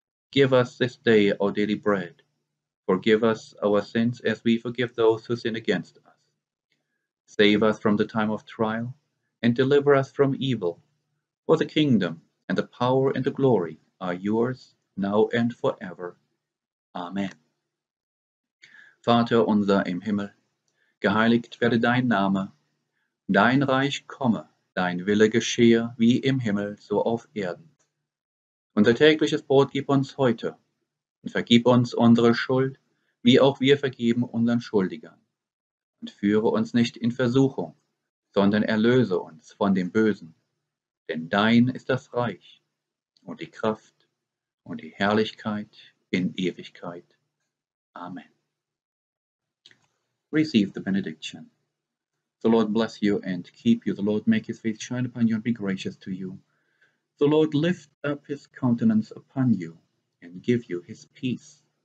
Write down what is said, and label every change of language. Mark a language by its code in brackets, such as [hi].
[en] Give us this day our daily bread. Forgive us our sins as we forgive those who sin against us. Save us from the time of trial, and deliver us from evil. For the kingdom and the power and the glory are yours, now and forever. Amen. [de] Vater unser im Himmel, geheiligt werde dein Name, dein Reich komme, dein Wille geschehe, wie im Himmel, so auf Erden. Unser tägliches Brot gib uns heute und vergib uns unsere Schuld, wie auch wir vergeben unseren Schuldigern. Und führe uns nicht in Versuchung, sondern erlöse uns von dem Bösen. Denn dein ist das Reich und die Kraft und die Herrlichkeit in Ewigkeit. Amen. [en] Receive the benediction. The Lord bless you and keep you. The Lord make his face shine upon you and be gracious to you. The Lord lift up his countenance upon you and give you his peace.